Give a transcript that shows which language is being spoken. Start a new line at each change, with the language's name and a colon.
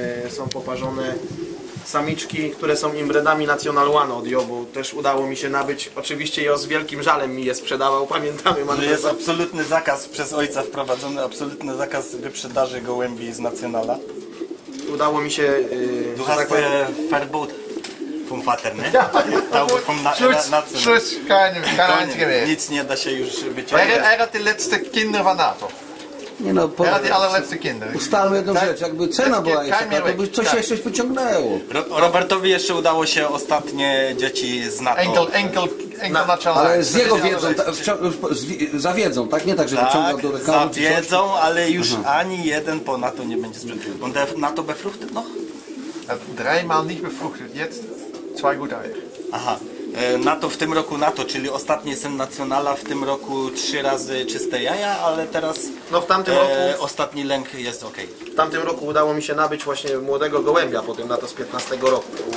Polish: Są poparzone samiczki, które są imbredami National One od Jo, bo też udało mi się nabyć. Oczywiście Jo z wielkim żalem mi je sprzedawał, pamiętamy. To jest absolutny zakaz przez ojca wprowadzony, absolutny zakaz wyprzedaży gołębi z Nacjonala. Udało mi się...
German: Du hast
Polish: swoje
German: Verbot vom Vater,
Polish: nie?
German: Schluss, keine
Polish: nic nie da się już wyciągnąć.
German: Er hat die letzte Kinder von NATO.
Polish: Nie no, ustalmy jedną rzecz, jakby cena była jeszcze, to by coś jeszcze pociągnęło. Robertowi jeszcze udało się ostatnie dzieci z NATO. Enkel na czele. Ale z jego wiedzą, za wiedzą, tak? Nie tak, że wyciągnął do reklamy. Za wiedzą, ale już ani jeden po NATO nie będzie sprzedał.
German: Und der NATO befruchtet noch? Dreimal nicht befruchtet, jetzt zwei gute Eier. Aha.
Polish: NATO w tym roku NATO, czyli ostatni syn Nacjonala w tym roku trzy razy czyste jaja, ale teraz no w tamtym roku ostatni lęk jest ok. W tamtym roku udało mi się nabyć właśnie młodego gołębia po tym NATO z 15 roku.